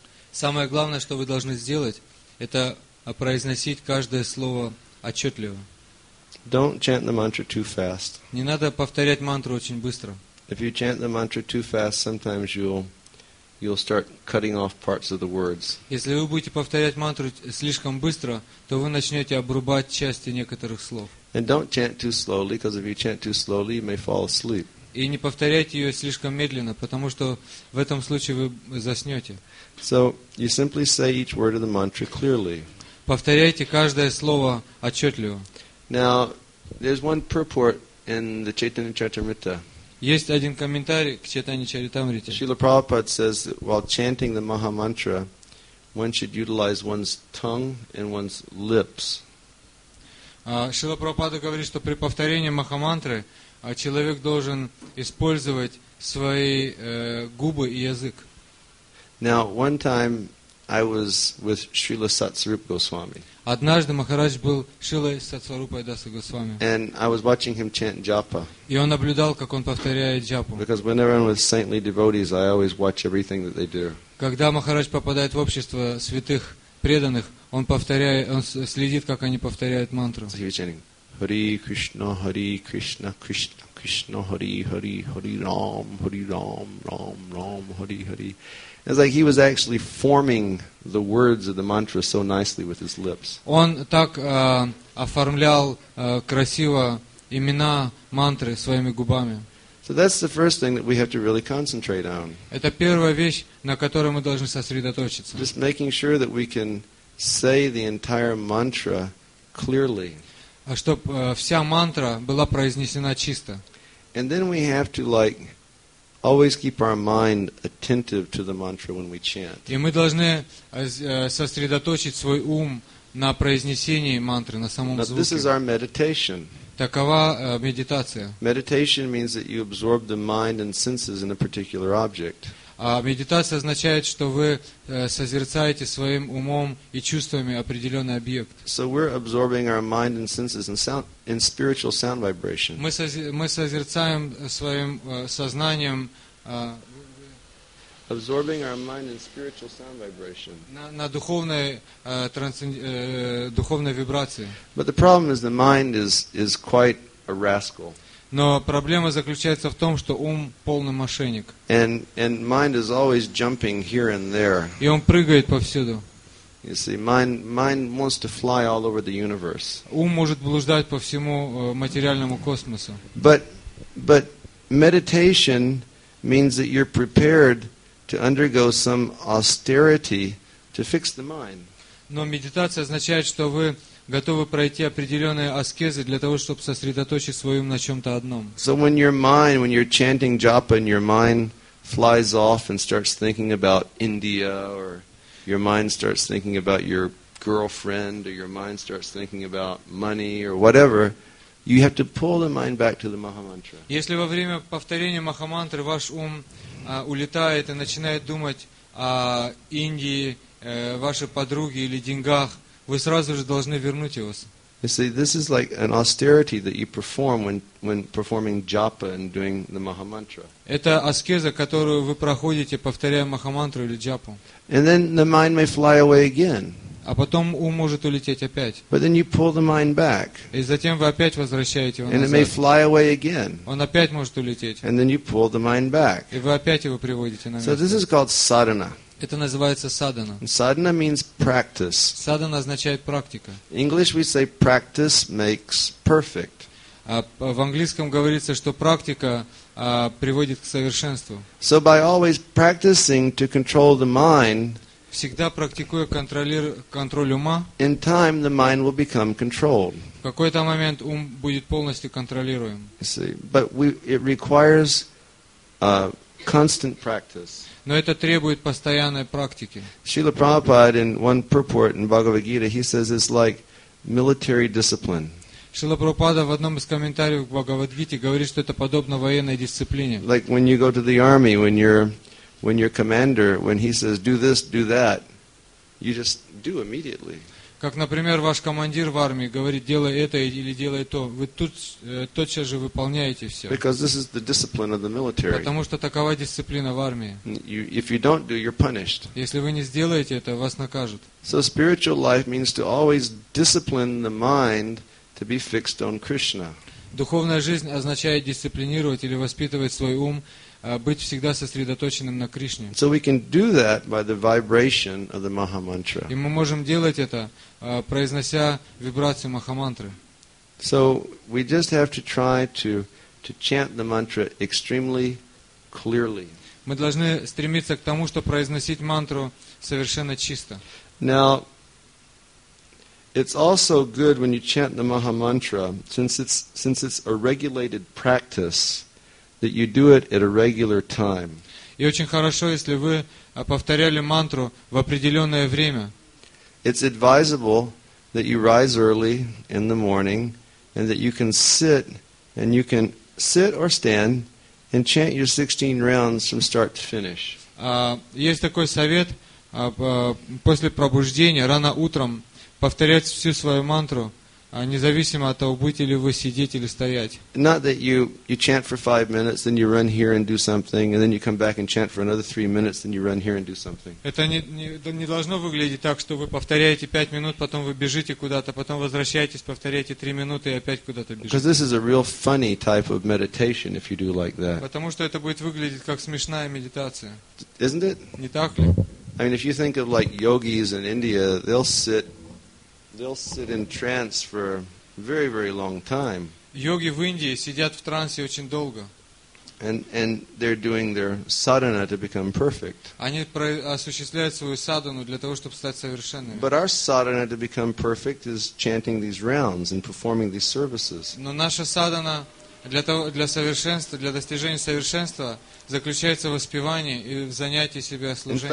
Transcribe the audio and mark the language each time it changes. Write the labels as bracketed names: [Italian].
[Russian] Самое главное, что вы должны сделать, это произносить каждое слово отчетливо. [English] Don't chant the mantra too fast. [Russian] Не надо повторять мантру очень быстро. [English] If you chant the mantra too fast, sometimes you'll start cutting off parts of the words. [Russian] Если вы будете повторять мантру слишком быстро, то вы начнете обрубать части некоторых слов. [English] And don't chant too slowly, because if you chant too slowly, you may fall asleep. [Russian] И не повторяйте ее слишком медленно, потому что в этом случае вы заснете. [English] So you simply say each word of the mantra clearly. [Russian] Повторяйте каждое слово отчетливо. [English] Now, there's one purport in the Chaitanya Charitamrita. [Russian] Есть один комментарий к Чайтанья Чаритамрите. [English] Srila Prabhupada says that while chanting the Maha Mantra, one should utilize one's tongue and one's lips. [Russian] Srila Prabhupada говорит, что при повторении Махамантры а человек должен использовать свои губы и язык. [English] Now, one time I was with Srila Satsarupa Goswami. [Russian] Однажды Махарадж был Шрила Сатсварупа Даса Госвами. [English] And I was watching him chant Japa. [Russian] И он наблюдал, как он повторяет Джапу. [English] Because whenever I'm with saintly devotees, I always watch everything that they do. [Russian] Когда Махарадж попадает в общество святых преданных, он повторяет, он следит, как они повторяют мантру. [English] So he was chanting. [Sanskrit] Hare Krishna, Hare Krishna, Krishna Krishna, Hare Hare, Hare Ram, Ram Ram, Hare Hare. [English] It's like he was actually forming the words of the mantra so nicely with his lips. [Russian] Он так оформлял красиво имена мантры своими губами. [English] So that's the first thing that we have to really concentrate on. [Russian] Это первая вещь, на которой мы должны сосредоточиться. [English] Just making sure that we can say the entire mantra clearly. [Russian] Чтобы вся мантра была произнесена чисто. [English] And then we have to like always keep our mind attentive to the mantra when we chant. [Russian] И мы должны сосредоточить свой ум на произнесении мантры, на самом звуке. [English] Now this is our meditation. [Russian] Такова медитация. [English] Meditation means that you absorb the mind and senses in a particular object. [Russian] А медитация означает, что вы созерцаете своим умом и чувствами определенный объект. [English] So we're absorbing our mind and senses in sound, in spiritual sound vibration. [Russian] Мы созерцаем своим сознанием. [English] Absorbing our mind in spiritual sound vibration. [Russian] На духовной духовной вибрации. [English] But the problem is the mind is quite a rascal. [Russian] Но проблема заключается в том, что ум полный мошенник. [English] And mind is always jumping here and there. [Russian] И он прыгает повсюду. [English] You see, mind wants to fly all over the universe. [Russian] Ум может блуждать по всему материальному космосу. [English] But meditation means that you're prepared to undergo some austerity to fix the mind. [Russian] Но медитация означает, что вы готовы пройти определенные аскезы для того, чтобы сосредоточить свой ум на чем-то одном. [English] So when your mind, when you're chanting japa, and your mind flies off and starts thinking about India, or your mind starts thinking about your girlfriend, or your mind starts thinking about money, or whatever, you have to pull the mind back to the Mahamantra. [Russian] Если во время повторения Махамантры ваш ум улетает и начинает думать о Индии, вашей подруге или деньгах, вы сразу же должны вернуть его. [English] You see, this is like an austerity that you perform when performing japa and doing the Mahamantra. [Russian] Это аскеза, которую вы проходите, повторяя Махамантру или джапу. [English] And then the mind may fly away again. [Russian] А потом ум может улететь опять. [English] But then you pull the mind back. [Russian] И затем вы опять возвращаете его назад. [English] And it may fly away again. [Russian] Он опять может улететь. [English] And then you pull the mind back. [Russian] И вы опять его приводите на место. [English] So this is called sadhana. [Russian] Это называется садхана. [English] Sadhana means practice. [Russian] Садхана означает практика. [English] In English we say practice makes perfect. [Russian] В английском говорится, что практика приводит к совершенству. [English] So by always practicing to control the mind, [Russian] всегда практикуя контроль ума, [English] in time the mind will become controlled. [Russian] В какой-то момент ум будет полностью контролируем. [English] See, but it requires constant practice. [Russian] Но это требует постоянной практики. [English] Srila Prabhupada in one purport in Bhagavad Gita, he says it's like military discipline. [Russian] Srila Prabhupada в одном из комментариев к Бхагавад Гите говорит, что это подобно военной дисциплине. [English] Like when you go to the army, when your commander, when he says do this, do that, you just do immediately. [Russian] Как, например, ваш командир в армии говорит, делай это или делай то, вы тут тотчас же выполняете все. [English] Because this is the discipline of the military. [Russian] Потому что такова дисциплина в армии. [English] If you don't do, you're punished. [Russian] Если вы не сделаете это, вас накажут. [English] So spiritual life means to always discipline the mind to be fixed on Krishna. [Russian] Духовная жизнь означает дисциплинировать или воспитывать свой ум, быть всегда сосредоточенным на Кришне. [English] So we can do that by the vibration of the Mahamantra. [Russian] И мы можем делать это, произнося вибрацию Махамантры. [English] So we just have to try to chant the mantra extremely clearly. [Russian] Мы должны стремиться к тому, чтобы произносить мантру совершенно чисто. [English] Now, it's also good when you chant the Mahamantra, since it's a regulated practice, that you do it at a regular time. [Russian] И очень хорошо, если вы повторяли мантру в определенное время. [English] It's advisable that you rise early in the morning and that you can sit and you can sit or stand and chant your 16 rounds from start to finish. [Russian] Есть такой совет после пробуждения рано утром повторять всю свою мантру. Независимо от того, будете ли вы сидеть или стоять. [English] Not that you chant for 5 minutes, then you run here and do something, and then you come back and chant for another 3 minutes, then you run here and do something. [Russian] Это не должно выглядеть так, что вы повторяете 5 минут, потом вы бежите куда-то, потом возвращаетесь, повторяете 3 минуты и опять куда-то бежите. [English] Because this is a real funny type of meditation if you do like that. [Russian] Потому что это будет выглядеть как смешная медитация. [English] Isn't it? [Russian] Не так ли? [English] I mean, if you think of like yogis in India, they'll sit in trance for a very, very long time. [Russian] Йоги в Индии сидят в трансе очень долго. [English] And they're doing their sadhana to become perfect. [Russian] Они осуществляют свою садхану для того, чтобы стать совершенными. [English] But our sadhana to become perfect is chanting these rounds and performing these services. [Russian] Но наша садхана для совершенства, для достижения совершенства заключается в воспевании и в занятии себя служением.